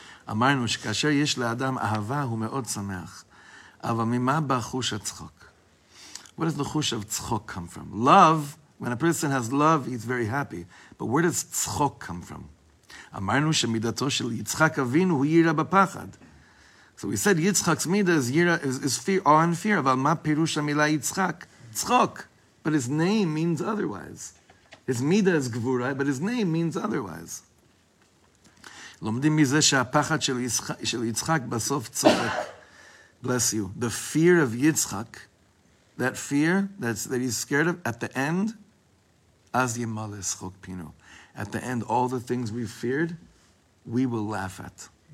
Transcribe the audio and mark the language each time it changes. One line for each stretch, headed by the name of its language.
Hebrew: אמרנו שכאשר יש לאדם אהבה הוא מאוד שמח. אבל ממה בא חוש הצחוק?
English: Where does the חוש of צחוק come from? Love, when a person has love, he's very happy. But where does צחוק come from?
Hebrew: אמרנו שמידתו של יצחק אבינו הוא יירה בפחד.
English: So we said יצחק's מידה is fear, awe and fear.
Hebrew: אבל מה פירוש המילה יצחק? צחוק.
English: But his name means otherwise. His מידה is גבורה, but his name means otherwise.
Hebrew: לומדים מזה שהפחד של יצחק בסוף צוחק.
English: Bless you. The fear of Yitzchak, that fear that he's scared of, at the end,
Hebrew: אז ימלא שחוק פינו.
English: At the end, all the things we feared, we will laugh at.